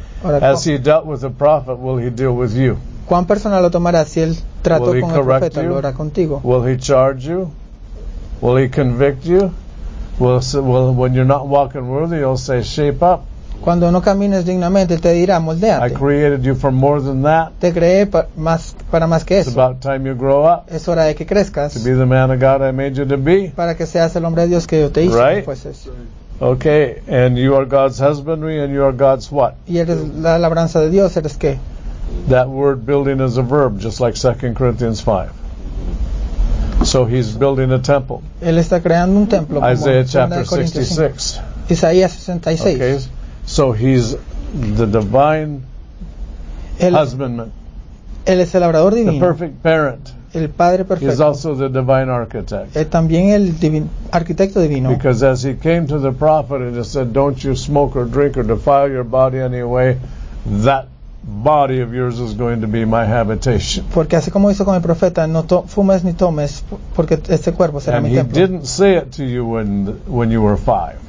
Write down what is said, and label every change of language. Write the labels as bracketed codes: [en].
[es] Ahora, [en] as he dealt with the prophet, will he deal with you? [es] ¿Cuán personal lo tomará si él trató con el profeta, lo hará contigo? [en] Will he charge you? Will he convict you? Well, when you're not walking worthy, he'll say, shape up. [es] Cuando no camines dignamente, te dirá, moldéate. [en] I created you for more than that. [es] Te creé para más que eso. [en] It's about time you grow up. [es] Es hora de que crezcas. [en] To be the man of God I made you to be. [es] Para que seas el hombre de Dios que yo te hice. [en] Right? [es] Pues eso. [en] Okay, and you are God's husbandry, and you are God's what? [es] Y eres la labranza de Dios, eres qué? [en] That word building is a verb, just like 2 Corinthians 5. So he's building a temple. [es] Él está creando un templo. [en] Isaiah chapter 66. [es] Isaías 66. [en] Okay. So he's the divine husbandman. [es] Él es el labrador divino. [en] The perfect parent. [es] El padre perfecto. [en] He's also the divine architect. [es] Él también el arquitecto divino. [en] Because as he came to the prophet and just said, "Don't you smoke or drink or defile your body anyway," that body of yours is going to be my habitation. [es] Porque así como hizo con el profeta, no fumes ni tomes, porque este cuerpo será mi templo. [en] And he didn't say it to you when you were five.